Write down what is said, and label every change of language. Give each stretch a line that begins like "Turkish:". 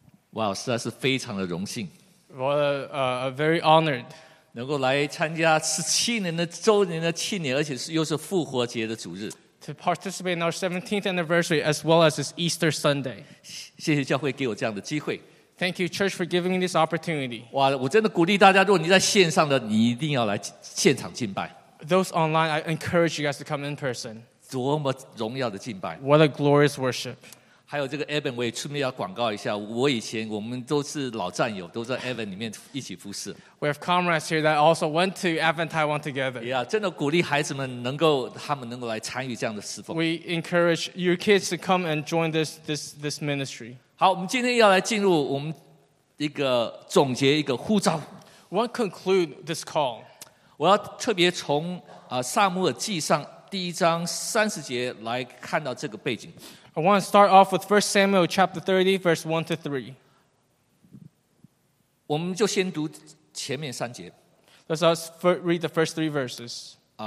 Chinese: Wow, 实在是非常的荣幸.
English: Very honored.
Chinese: 能够来参加17年的周年的庆典, 而且又是复活节的主日.
English: To participate in our 17th anniversary as well as this Easter Sunday.
Chinese: 谢谢教会给我这样的机会.
English: Thank you, church, for giving me this opportunity.
Chinese: 哇，我真的鼓励大家, 如果你在线上的, 你一定要来现场敬拜.
English: Those online, I encourage you guys to come in person.
Chinese: 多么荣耀的敬拜.
English: What a glorious worship.
Chinese: 还有这个Evan, 我也顺便要广告一下, 我以前我们都是老战友, 都在Evan里面一起服侍。
English: We have comrades here that also went to Advent Taiwan together.
Chinese: Yeah, 真的鼓励孩子们能够, 他们能够来参与这样的侍奉。
English: We encourage your kids to come and join this ministry.
Chinese: 好, 我们今天要来进入我们一个总结, 一个呼召。
English: What conclude this call?
Chinese: 我要特别从, 撒母耳记上第一章30节来看到这个背景。
English: I want to start off with 1 Samuel chapter 30, verse 1 to 3.
Chinese: 我们就先读前面三节。
English: Let's us read the first three verses.